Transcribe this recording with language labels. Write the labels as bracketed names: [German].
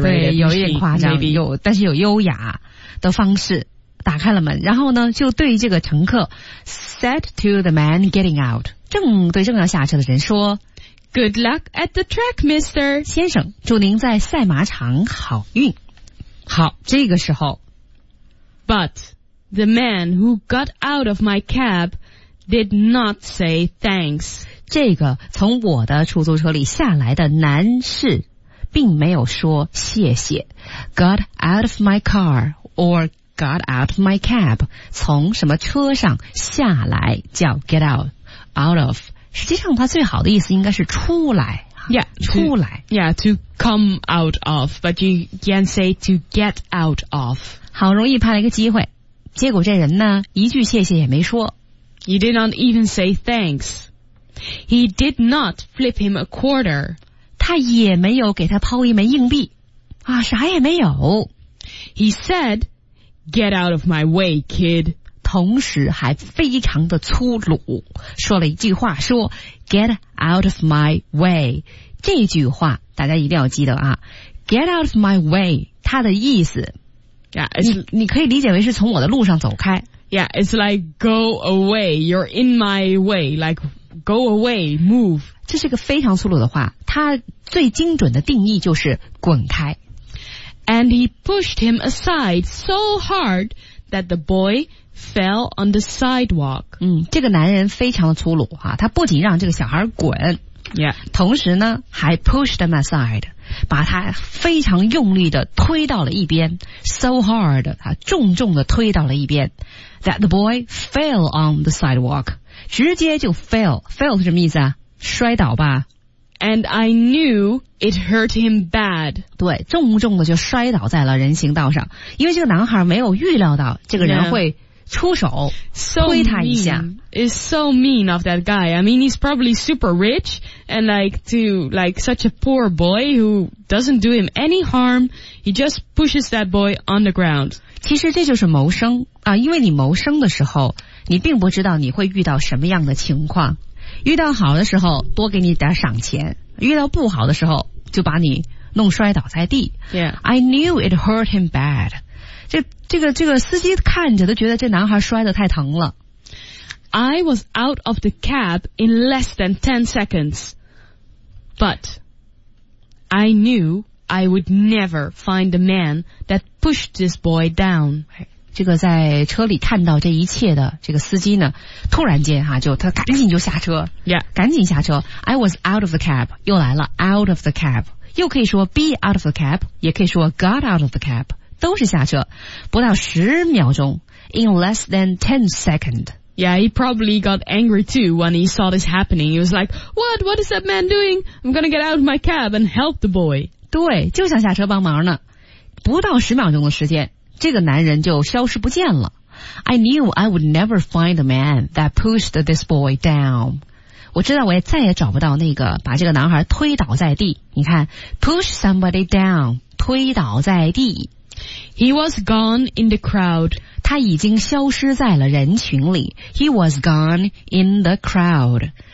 [Chinese] 对，有一点夸张，但是有优雅的方式。打开了门，然后呢就对这个乘客 [English] said to the man getting out, [Chinese] 正对正要下车的人说 [English] Good luck at the track, mister. [Chinese] 先生，祝您在赛马场好运。好，这个时候。 [English] But the man who got out of my cab did not say thanks. [Chinese] 这个从我的出租车里下来的男士并没有说谢谢。 [English] Got out of my car or got out of my cab, [Chinese] 从什么车上下来叫 [English] get out, out of. [Chinese] 实际上它最好的意思应该是出来 [English] yeah, [Chinese] 出来 [English] to, Yeah, to come out of, but you can say to get out of. [Chinese] 好容易拍了一个机会，结果这人呢一句谢谢也没说。 [English] He did not even say thanks. He did not flip him a quarter. [Chinese] 他也没有给他抛一枚硬币啊，啥也没有。 [English] He said, get out of my way, kid. [Chinese] 同时还非常的粗鲁说了一句话，说 [English] get out of my way。 [Chinese] 这句话大家一定要记得啊， [English] get out of my way [Chinese] 它的意思 [English] yeah, [Chinese] 你可以理解为是从我的路上走开。 [English] Yeah, it's like go away, you're in my way, like go away, move. [Chinese] 这是个非常粗鲁的话，它最精准的定义就是滚开。 [English] And he pushed him aside so hard that the boyfell on the sidewalk. [Chinese] 这个男人非常的粗鲁啊，他不仅让这个小孩滚、 [English] yeah. [Chinese] 同时呢还 [English] pushed him aside, [Chinese] 把他非常用力的推到了一边 [English] so hard, [Chinese] 他重重的推到了一边 [English] that the boy fell on the sidewalk, [Chinese] 直接就 fell 是什么意思啊，摔倒吧。 [English] And I knew it hurt him bad. [Chinese] 对，重重的就摔倒在了人行道上，因为这个男孩没有预料到这个人会、 [English] yeah. [Chinese] 出手、 [English] so、 [Chinese] 推他一下 [English] is so mean of that guy. I mean, he's probably super rich and like to like such a poor boy who doesn't do him any harm. He just pushes that boy on the ground. [Chinese] 其实这就是谋生啊，因为你谋生的时候，你并不知道你会遇到什么样的情况。遇到好的时候多给你点赏钱，遇到不好的时候就把你弄摔倒在地。 [English] Yeah, I knew it hurt him bad. [Chinese] 这个司机看着都觉得这男孩摔得太疼了。 [English] I was out of the cab in less than 10 seconds, but I knew I would never find the man that pushed this boy down. [Chinese] 这个在车里看到这一切的这个司机呢，突然间哈、啊、就他赶紧就下车、 [English] yeah. [Chinese] 赶紧下车。 [English] I was out of the cab, [Chinese] 又来了 [English] out of the cab, [Chinese] 又可以说 [English] be out of the cab, [Chinese] 也可以说 [English] got out of the cab. [Chinese] 都是下车，不到十秒钟 ， [English] in less than 10 seconds. Yeah, he probably got angry too when he saw this happening. He was like, "What? What is that man doing? I'm gonna get out of my cab and help the boy." [Chinese] 对，就想下车帮忙呢。不到十秒钟的时间，这个男人就消失不见了。 [English] I knew I would never find the man that pushed this boy down. [Chinese] 我知道我也再也找不到那个把这个男孩推倒在地。你看 ， [English] push somebody down， [Chinese] 推倒在地。 [English] He was gone in the crowd. [Chinese] 他已经消失在了人群里。 [English] He was gone in the crowd.